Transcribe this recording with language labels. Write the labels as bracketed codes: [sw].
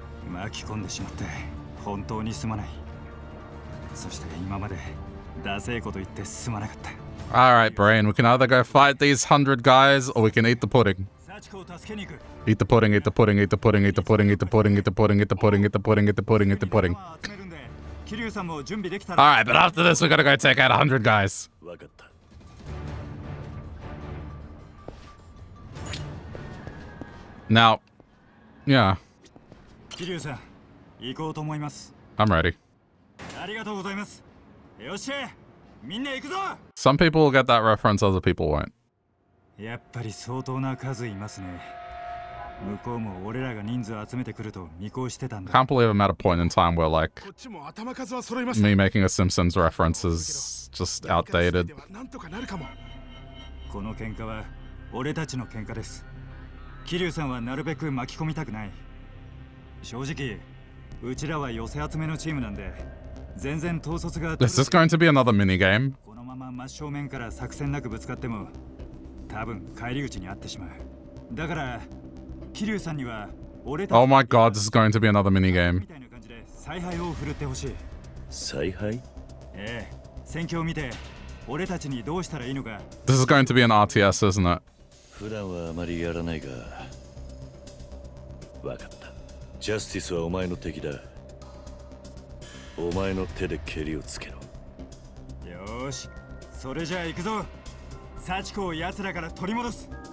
[ja] 巻き込んでしまって本当にすまない。そして今までダセーこと言ってすまなかった。 [en] Alright Brain, we can either go fight these 100 guys or we can eat the pudding. Eat the pudding, eat the pudding, eat the pudding, eat the pudding, eat the pudding, eat the pudding, eat the pudding, eat the pudding, eat the pudding, eat the pudding, eat the pudding, eat the pudding, eat the pudding. Alright, but after this we gotta go take out 100 guys. Now, yeah. [ja] 行こうと思います。 [en] I'm ready. [ja] ありがとうございます。よし、みんな行くぞ。 [en] Some people will get that reference, other people won't. [ja] やっぱり相当な数いますね。向こうも俺らが人数集めてくると見越してたんだ。 [en] Can't believe I'm at a point in time where like [ja] こっちも頭数は揃いました。 [en] Me making a Simpsons reference is just outdated. [ja] なんとかなるかも。この喧嘩は俺たちの喧嘩です。キリュウさんはなるべく巻き込みたくない。正直うちらは寄せ集めのチームなんで、全然統率が。 [en] Is this going to be another mini game? [ja] このまま真正面から作戦なくぶつかっても、多分帰り口にあってしまう。だから、キリュウさんには俺た [en] ち。Oh my god, this is going to be another mini game. [ja] みたいな感じで采配を振るってほしい。采配？ええ、戦況を見て、俺たちにどうしたらいいのか。 [en] This is going to be an RTS, isn't it? [ja] 普段はあまりやらないが、わかった。ジャスティスはお前の敵だ。お前の手で蹴りをつけろ。よし、それじゃあ行くぞ。サチコを奴らから取り戻す。